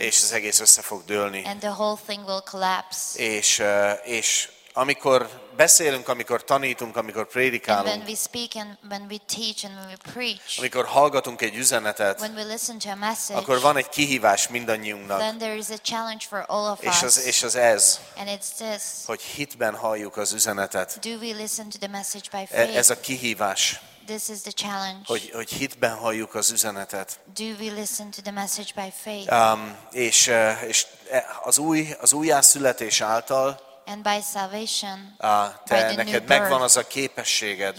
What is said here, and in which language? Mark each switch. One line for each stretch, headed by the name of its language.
Hungarian: És az egész össze fog dőlni.
English: And the whole thing will collapse.
Hungarian: És amikor beszélünk, amikor tanítunk, amikor prédikálunk,
English: and when we speak and when we teach and when we preach,
Hungarian: amikor hallgatunk egy üzenetet,
English: when we listen to a message,
Hungarian: akkor van egy kihívás mindannyiunknak,
English: then there is a challenge for all of us,
Hungarian: és az ez,
English: and it's this,
Hungarian: hogy hitben halljuk az üzenetet.
English: Do we listen to the message by faith?
Hungarian: Ez a kihívás.
English: This is the challenge.
Hungarian: Hogy hitben halljuk az üzenetet.
English: Do we listen to the message by faith?
Hungarian: És az új újjászületés által.
English: And by salvation,
Hungarian: te
English: by the
Hungarian: neked
English: new
Hungarian: megvan
English: birth,
Hungarian: az a képességed,